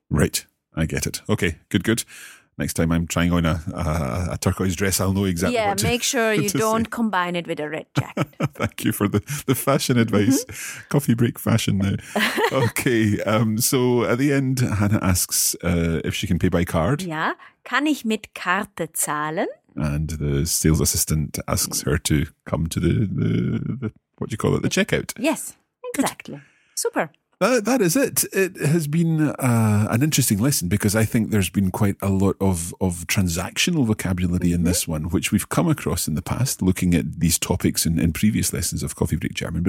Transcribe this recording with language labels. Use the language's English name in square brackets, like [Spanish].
[English] Right. I get it. Okay, good. Next time I'm trying on a turquoise dress, I'll know exactly what to say. Yeah, make sure you don't combine it with a red jacket. Thank you for the fashion advice. Mm-hmm. Coffee break fashion now. Okay, so at the end, Hannah asks if she can pay by card. [German] Yeah, kann ich mit Karte zahlen? [English] And the sales assistant asks her to come to the checkout. Yes, exactly. Good. Super. That is it. It has been an interesting lesson because I think there's been quite a lot of transactional vocabulary in this one, which we've come across in the past, looking at these topics in previous lessons of Coffee Break German.